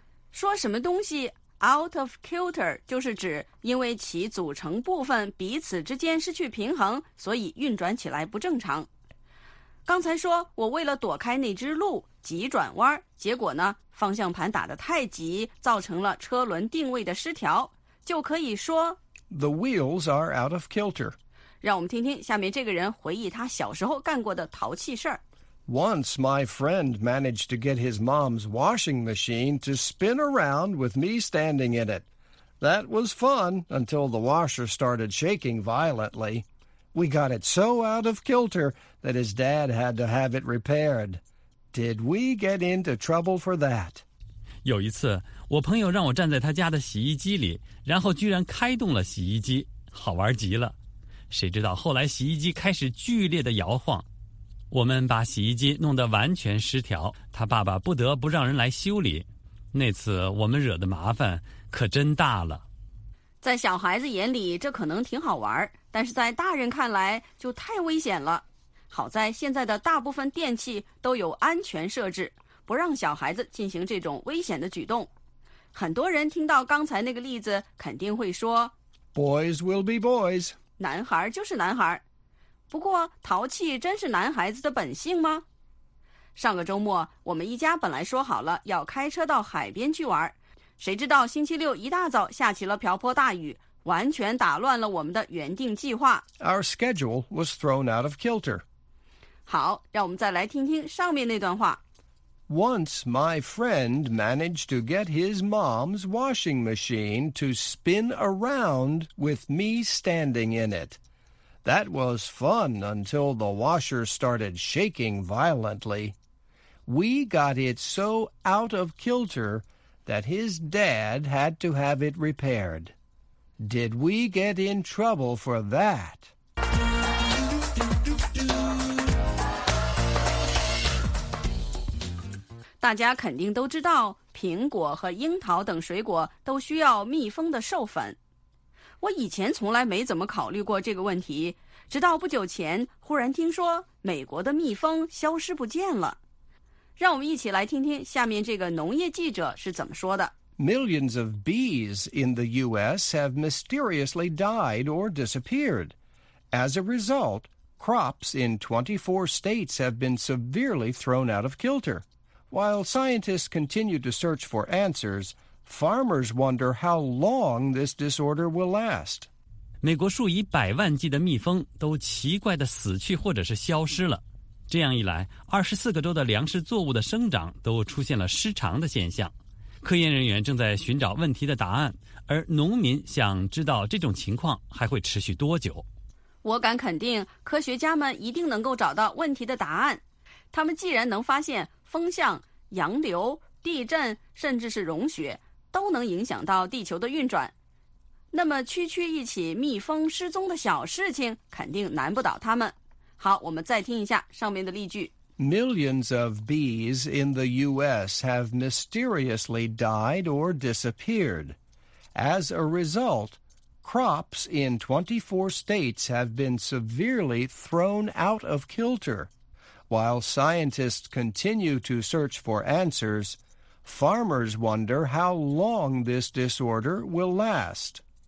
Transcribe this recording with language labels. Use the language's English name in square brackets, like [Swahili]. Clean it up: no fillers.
[Chinese] 说什么东西 out of kilter 就是指因为其组成部分彼此之间失去平衡，所以运转起来不正常。刚才说我为了躲开那只鹿急转弯，结果呢方向盘打得太急，造成了车轮定位的失调，就可以说 [English] The wheels are out of kilter. [Chinese] 让我们听听下面这个人回忆他小时候干过的淘气事儿。 [English] Once my friend managed to get his mom's washing machine to spin around with me standing in it. That was fun until the washer started shaking violently. We got it so out of kilter. That his dad had to have it repaired. Did we get into trouble for that? [Chinese] 有一次，我朋友让我站在他家的洗衣机里，然后居然开动了洗衣机，好玩极了。谁知道后来洗衣机开始剧烈的摇晃，我们把洗衣机弄得完全失调，他爸爸不得不让人来修理。那次我们惹的麻烦可真大了。在小孩子眼里，这可能挺好玩，但是在大人看来就太危险了。好在现在的大部分电器都有安全设置，不让小孩子进行这种危险的举动。很多人听到刚才那个例子肯定会说 [English] Boys will be boys. [Chinese] 男孩就是男孩。不过淘气真是男孩子的本性吗？上个周末我们一家本来说好了要开车到海边去玩，谁知道星期六一大早下起了瓢泼大雨，完全打乱了我们的原定计划。 [English] Our schedule was thrown out of kilter. [Chinese] 好，让我们再来听听上面那段话。 [English] Once my friend managed to get his mom's washing machine to spin around with me standing in it. That was fun until the washer started shaking violently. We got it so out of kilter that his dad had to have it repaired. Did we get in trouble for that? [Chinese] 大家肯定都知道，苹果和樱桃等水果都需要密封的授粉。我以前从来没怎么考虑过这个问题，直到不久前忽然听说美国的蜜蜂消失不见了。让我们一起来听听下面这个农业记者是怎么说的。 [English] Millions of bees in the U.S. have mysteriously died or disappeared. As a result, crops in 24 states have been severely thrown out of kilter. While scientists continue to search for answers, farmers wonder how long this disorder will last. [Chinese] 美国数以百万计的蜜蜂都奇怪地死去或者是消失了。这样一来，24个州的粮食作物的生长都出现了失常的现象。科研人员正在寻找问题的答案，而农民想知道这种情况还会持续多久。我敢肯定，科学家们一定能够找到问题的答案。他们既然能发现风向、洋流、地震，甚至是融雪，都能影响到地球的运转。那么，区区一起蜜蜂失踪的小事情，肯定难不倒他们。好，我们再听一下上面的例句。 [English] Millions of bees in the U.S. have mysteriously died or disappeared. As a result, crops in 24 states have been severely thrown out of kilter. While scientists continue to search for answers, farmers wonder how long this disorder will last.